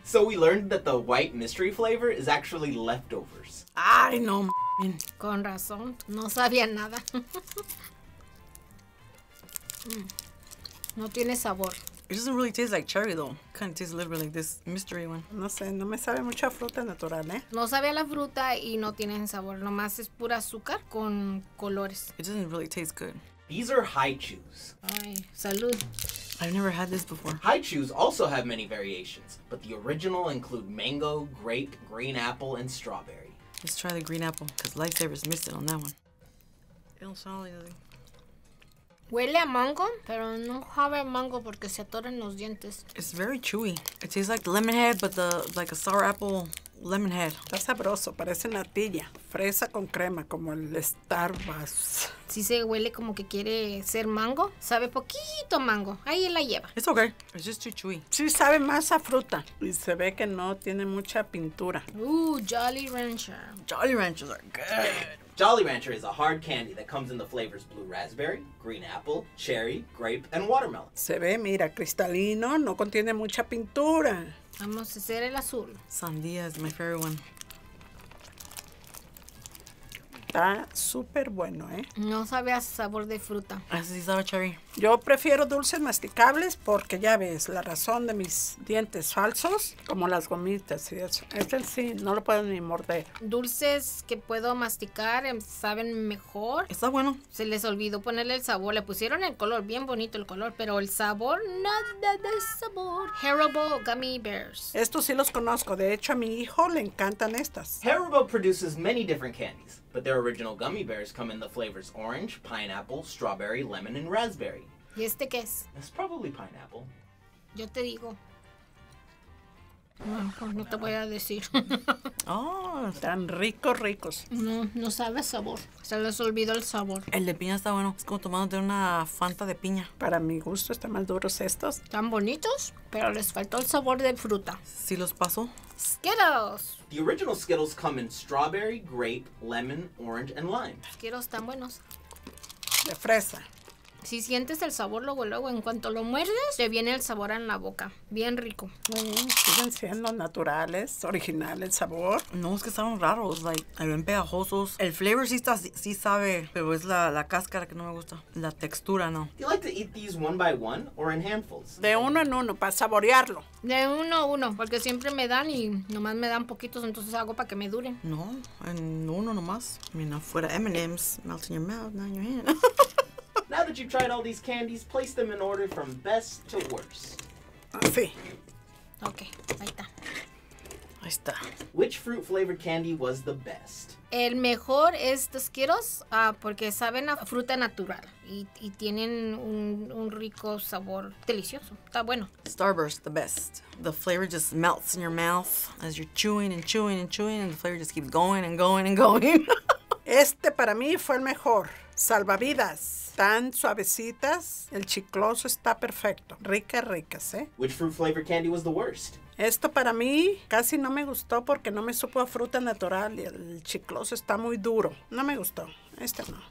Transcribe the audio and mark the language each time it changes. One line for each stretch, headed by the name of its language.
English: So we learned that the white mystery flavor is actually leftovers.
Spanish: Ay, no, con razón. No sabía nada. No tiene sabor.
English: It doesn't really taste like cherry, though. Kind of tastes a little bit like this mystery one.
Spanish: No sé, no me sabe mucho a fruta natural, ¿eh? No sabe a la fruta y no tiene sabor. Nomás es pura azúcar con colores.
English: It doesn't really taste good. These are haichus.
Spanish: Ay, salud.
English: I've never had this before. Haichus also have many variations, but the original include mango, grape, green apple, and strawberry. Let's try the green apple, because lifesavers missed it on that one. It'll sound like nothing.
Spanish: Huele a mango, pero no sabe a mango porque se atoran los dientes.
English: It's very chewy. It tastes like the lemon head, but the like a sour apple lemon head.
Spanish: Está sabroso, parece natilla. Fresa con crema, como el Starburst. Sí se huele como que quiere ser mango. Sabe poquito mango. Ahí la lleva.
English: It's okay. It's just too chewy.
Spanish: Sí sabe más a fruta. Y se ve que no tiene mucha pintura.
English: Ooh, Jolly Rancher. Jolly Ranchers are good. Jolly Rancher is a hard candy that comes in the flavors blue raspberry, green apple, cherry, grape, and watermelon.
Spanish: Se ve, mira, cristalino, no contiene mucha pintura. Vamos a hacer el azul.
English: Sandía is my favorite one.
Spanish: Está súper bueno, ¿eh? No sabe a sabor de fruta. Así sabe cherry. Yo prefiero dulces masticables porque ya ves, la razón de mis dientes falsos, como las gomitas y eso. Este sí, no lo puedo ni morder. Dulces que puedo masticar saben mejor. Está bueno. Se les olvidó ponerle el sabor. Le pusieron el color, bien bonito el color, pero el sabor, nada de sabor.
English: Haribo Gummy Bears.
Spanish: Estos sí los conozco. De hecho, a mi hijo le encantan estas.
English: Haribo produces many different candies, but their original gummy bears come in the flavors orange, pineapple, strawberry, lemon, and raspberry.
Spanish: ¿Y este qué es?
English: It's probably pineapple.
Spanish: Yo te digo. No, pues no te voy a decir. Oh, están ricos, ricos. No, no sabe sabor. Se les olvidó el sabor. El de piña está bueno. Es como tomándote una Fanta de piña. Para mi gusto están más duros estos. Están bonitos, pero les faltó el sabor de fruta. ¿Sí los pasó?
English: Skittles. The original Skittles come in strawberry, grape, lemon, orange, and lime.
Spanish: Skittles están buenos. De fresa. Si sientes el sabor luego, luego, en cuanto lo muerdes, te viene el sabor en la boca. Bien rico. Siguen siendo naturales, original el sabor. No, es que están raros, like, bien pegajosos. El flavor sí, está, sí sabe, pero es la cáscara que no me gusta. La textura, no.
English: Do you like to eat these one by one or in handfuls?
Spanish: De uno en uno, para saborearlo. De uno a uno, porque siempre me dan y nomás me dan poquitos, entonces hago para que me duren. No, en uno nomás.
English: I mean, afuera M&M's, melt in your mouth, not in your hand. Now that you've tried all these candies, place them in order from best to worst.
Spanish: Sí. Okay, ahí está. Ahí está.
English: Which fruit-flavored candy was the best?
Spanish: El mejor es the Skittles, porque saben a fruta natural. Y tienen un rico sabor delicioso. Está bueno.
English: Starburst, the best. The flavor just melts in your mouth as you're chewing and chewing and chewing, and the flavor just keeps going and going and going.
Spanish: Este para mí fue el mejor. Salvavidas. Tan suavecitas. El chicloso está perfecto. Ricas, ricas, ¿eh?
English: Which fruit flavor candy was the worst?
Spanish: Esto para mí casi no me gustó porque no me supo a fruta natural y el chicloso está muy duro. No me gustó. Este no.